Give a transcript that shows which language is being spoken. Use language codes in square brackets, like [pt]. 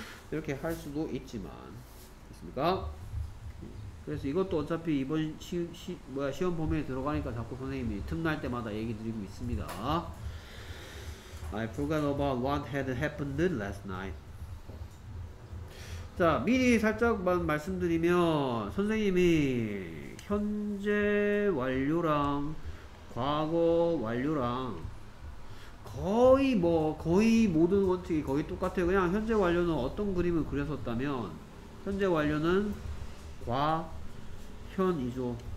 [ko] 이렇게 할 수도 있지만 됐습니까? 그래서 이것도 어차피 이번 시험 범위에 들어가니까 자꾸 선생님이 틈날 때마다 얘기 드리고 있습니다. [en] I forgot about what had happened last night. [ko] 자, 미리 살짝만 말씀드리면 선생님이 현재 완료랑 과거 완료랑 거의 모든 원칙이 거의 똑같아요. 그냥 현재 완료는 어떤 그림을 그렸었다면 현재 완료는 과현이죠.